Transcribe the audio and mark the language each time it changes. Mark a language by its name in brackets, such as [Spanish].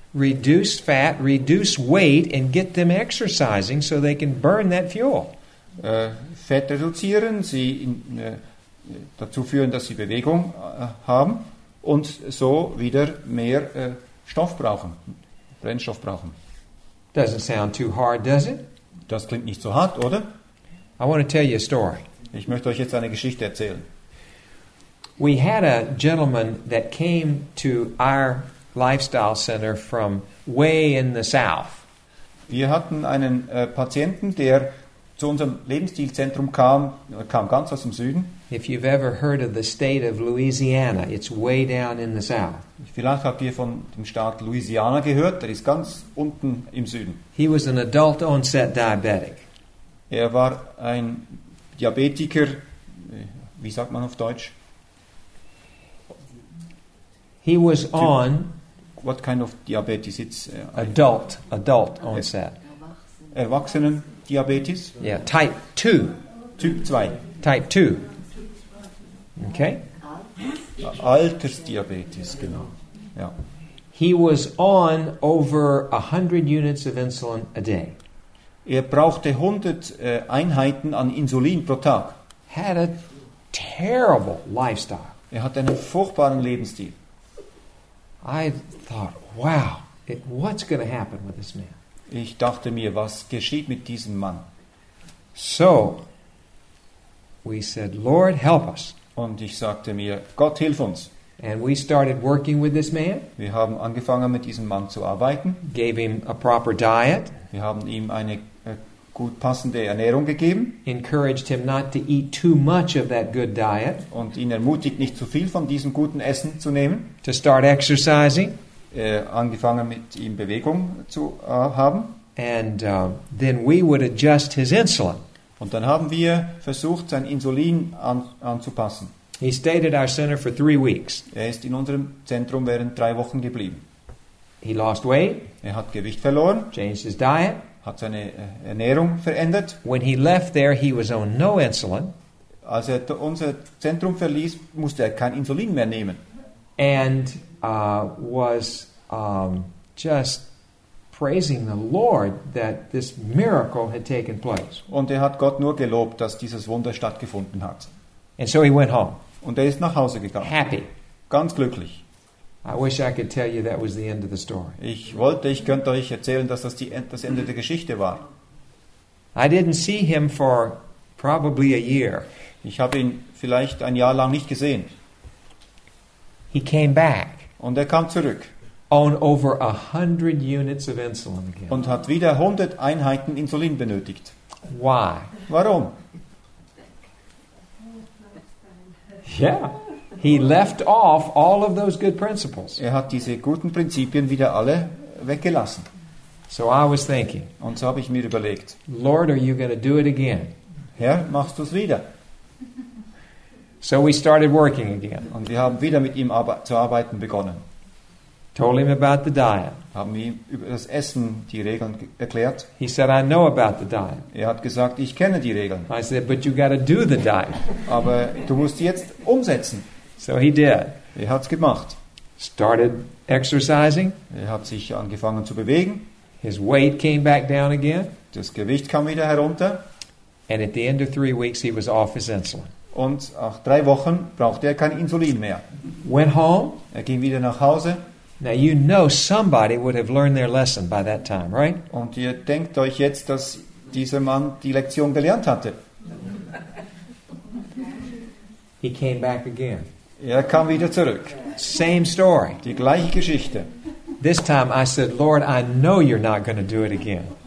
[English] Reduce fat, reduce weight and get them exercising so they can burn that fuel. [German] Fett reduzieren, sie in, dazu führen, dass sie Bewegung haben und so wieder mehr Stoff brauchen, Brennstoff brauchen. [English] Doesn't sound too hard, does it? [German] Das klingt nicht so hart, oder? [English] I want to tell you a story. [German] Ich möchte euch jetzt eine Geschichte erzählen. [English] We had a gentleman that came to our Lifestyle Center from way in the south. [German] Wir hatten einen Patienten, der zu unserem Lebensstilzentrum kam, kam ganz aus dem Süden. [English] If you've ever heard of the state of Louisiana, it's way down in the south. [German] Vielleicht habt ihr von dem Staat Louisiana gehört, der ist ganz unten im Süden. [English] He was an adult onset diabetic. [German] Er war ein Diabetiker, wie sagt man auf Deutsch? [English] He was on what kind of diabetes? It's adult onset. [German] Erwachsenen Diabetes? [English] Yeah, type 2. [German] Typ 2. [English] Type 2. Okay. [German] Altersdiabetes, genau. Yeah. [English] He was on over 100 units of insulin a day. [German] Er brauchte 100 Einheiten an Insulin pro Tag. [English] Had a terrible lifestyle. [German] Er hatte einen furchtbaren Lebensstil. [English] I thought, wow, what's going to happen with this man? [German] Ich dachte mir, was geschieht mit diesem Mann? [English] So, we said, Lord, help us. [German] Und ich sagte mir, Gott, hilf uns. [English] And we started working with this man. [German] Wir haben angefangen, mit diesem Mann zu arbeiten. [English] Gave him a proper diet. [German] Wir haben ihm eine gut passende Ernährung gegeben. [English] Encouraged him not to eat too much of that good diet. [German] Und ihn ermutigt, nicht zu viel von diesem guten Essen zu nehmen. [English] To start exercising. [German] Angefangen mit ihm Bewegung zu haben. [English] And then we would adjust his insulin. [German] Und dann haben wir versucht, sein Insulin anzupassen. [English] He stayed at our center for 3 weeks. [German] Er ist in unserem Zentrum während 3 Wochen geblieben. [English] He lost weight. [German] Er hat Gewicht verloren. [English] Changed his diet. [German] Hat seine Ernährung verändert. [English] When he left there, he was on no insulin. [German] Als er unser Zentrum verließ, musste er kein Insulin mehr nehmen. [English] And was just praising the Lord that this miracle had taken place. [German] Und er hat Gott nur gelobt, dass dieses Wunder stattgefunden hat. [English] And so he went home. [German] Und er ist nach Hause gegangen. [English] Happy. [German] Ganz glücklich. [English] I wish I could tell you that was the end of the story. [German] Ich wollte, ich könnte euch erzählen, dass das das Ende der Geschichte war. [English] I didn't see him for probably a year. [German] Ich habe ihn vielleicht ein Jahr lang nicht gesehen. [English] He came back. [German] Und er kam zurück. [English] own over 100 units of insulin again. [German] Und hat wieder 100 Einheiten Insulin benötigt. [English] Why? [German] Warum? Yeah. [English] He left off all of those good principles. [German] Er hat diese guten Prinzipien wieder alle weggelassen. [English] So I was thinking. [German] Und so habe ich mir überlegt. [English] Lord, are you going to do it again? [German] Herr, machst du es wieder? [English] So we started working again. [German] Und wir haben wieder mit ihm zu arbeiten begonnen. [English] Told him about the diet. [German] Haben ihm über das Essen die Regeln erklärt. [English] He said, I know about the diet. [German] Er hat gesagt, ich kenne die Regeln. [English] I said, but you got to do the diet. [German] Aber du musst jetzt umsetzen. [English] So he did. [German] Er hat's gemacht. [English] Started exercising. [German] Er hat sich angefangen zu bewegen. [English] His weight came back down again. [German] Das Gewicht kam wieder herunter. [English] And at the end of 3 weeks, he was off his insulin. [German] Und nach 3 Wochen brauchte er kein Insulin mehr. [English] Went home. [German] Er ging wieder nach Hause. [English] Now you know somebody would have learned their lesson by that time, right? [German] Und ihr denkt euch jetzt, dass dieser Mann die Lektion gelernt hatte. [English] He came back again. [German] Er kam wieder zurück. [English] Same story. [German] Die gleiche Geschichte. [English] This time I said, Lord, I know you're not going to do it again.